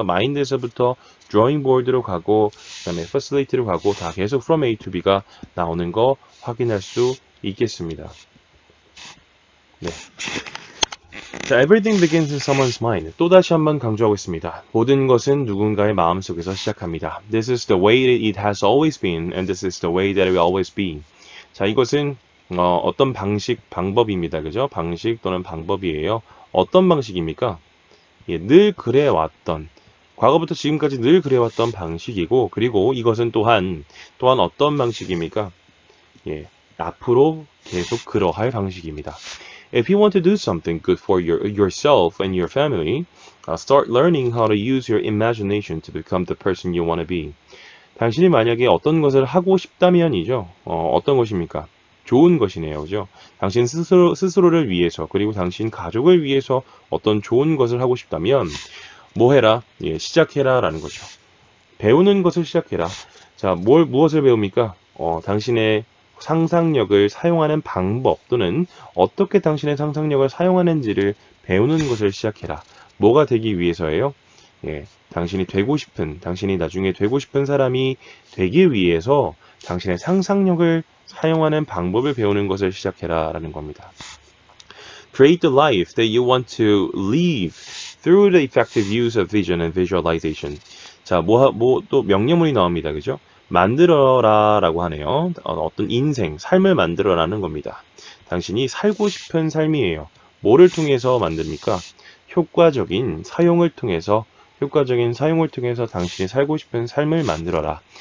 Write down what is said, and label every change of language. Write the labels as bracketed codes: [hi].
[ko] mind에서부터 drawing board로 가고, 그 다음에 facility로 가고, 다 계속 [en] from A to B [ko] 가 나오는 거 확인할 수 있겠습니다. 네. [en] 자, everything begins in someone's mind. [ko] 또 다시 한번 강조하고 있습니다. 모든 것은 누군가의 마음속에서 시작합니다. [en] This is the way it has always been, and this is the way that it will always be. [ko] 자, 이것은 어떤 방법입니다. 그죠? 방식 또는 방법이에요. 어떤 방식입니까? 예, 늘 그래 왔던, 과거부터 지금까지 늘 그래 왔던 방식이고, 그리고 이것은 또한 어떤 방식입니까? 예, 앞으로 계속 그러할 방식입니다. [en] If you want to do something good for yourself and your family, start learning how to use your imagination to become the person you want to be. [ko] 당신이 만약에 어떤 것을 하고 싶다면이죠. 어떤 것입니까? 좋은 것이네요, 그죠? 당신 스스로를 위해서, 그리고 당신 가족을 위해서 어떤 좋은 것을 하고 싶다면 뭐 해라, 예, 시작해라라는 거죠. 배우는 것을 시작해라. 자, 무엇을 배웁니까? 당신의 상상력을 사용하는 방법 또는 어떻게 당신의 상상력을 사용하는지를 배우는 것을 시작해라. 뭐가 되기 위해서예요? 예, 당신이 되고 싶은, 당신이 나중에 되고 싶은 사람이 되기 위해서 당신의 상상력을 사용하는 방법을 배우는 것을 시작해라 라는 겁니다. [en] create the life that you want to live through the effective use of vision and visualization. [ko] 자, 또 명령문이 나옵니다. 그죠? 만들어라 라고 하네요. 어떤 인생, 삶을 만들어라는 겁니다. 당신이 살고 싶은 삶이에요. 뭐를 통해서 만듭니까? 효과적인 사용을 통해서, 효과적인 사용을 통해서 당신이 살고 싶은 삶을 만들어라.